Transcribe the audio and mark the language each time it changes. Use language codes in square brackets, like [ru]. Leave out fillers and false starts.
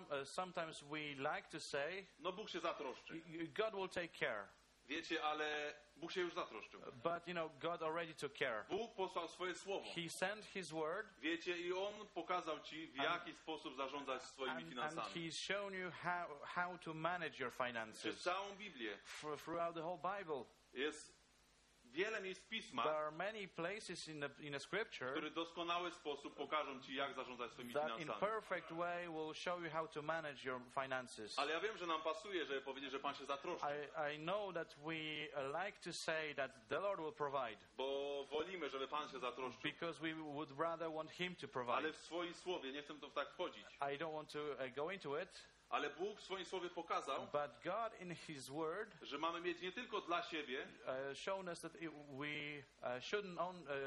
[en] sometimes we like to say, [pl] no Bóg się zatroszczy. [en] God will take care. [pl] Wiecie, ale Bóg się już zatroszczył. [en] But you know, God already took care. [pl] Bóg posłał swoje słowo. [en] He sent His word. [pl] Wiecie, i On pokazał ci, w jaki sposób zarządzać swoimi finansami. [en] And He's shown you how to manage your finances. [pl] Przez całą Biblię. [en] Throughout the whole Bible. [pl] Jest wiele miejsc pisma, [en] there are many places in a scripture, [pl] które w doskonały sposób pokażą ci, jak zarządzać swoimi [en] that [pl] finansami. [en] In perfect way will show you how to manage your finances. [pl] Ale ja wiem, że nam pasuje, żeby powiedzieć, że Pan się zatroszczy. [en] I know that we like to say that the Lord will provide. [pl] Bo wolimy, żeby Pan się zatroszczył. [en] Because we would rather want Him to provide. [pl] Ale w swoim słowie nie chcę to w tak wchodzić. [en] I don't want to go into it. [pl] Ale Bóg w swoim słowie pokazał, [en] but God in His word, [pl] że mamy mieć nie tylko dla siebie, [en] shown us that we shouldn't own,